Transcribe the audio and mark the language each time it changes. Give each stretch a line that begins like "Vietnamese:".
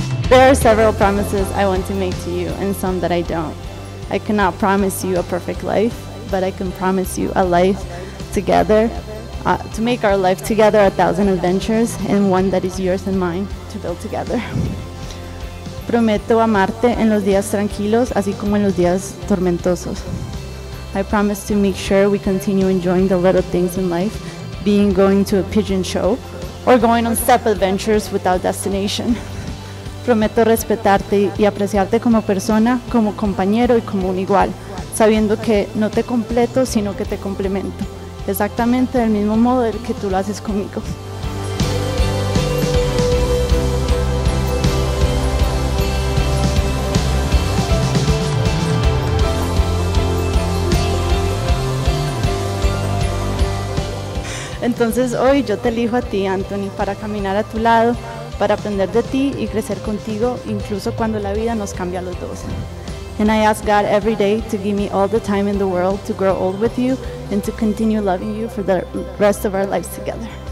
English: There are several promises I want to make to you and some that I don't. I cannot promise you a perfect life, but I can promise you a life together, to make our life together a thousand adventures and one that is yours and mine to build together.
Spanish: Prometo amarte en los días tranquilos, así como en los días tormentosos.
English: I promise to make sure we continue enjoying the little things in life, being going to a pigeon show or going on step adventures without destination.
Spanish: Prometo respetarte y apreciarte como persona, como compañero y como un igual, sabiendo que no te completo, sino que te complemento, exactamente del mismo modo del que tú lo haces conmigo. Entonces hoy yo te elijo a ti, Anthony, para caminar a tu lado, para aprender de ti y crecer contigo, incluso cuando la vida nos cambia a los dos.
English: And I ask God every day to give me all the time in the world to grow old with you and to continue loving you for the rest of our lives together.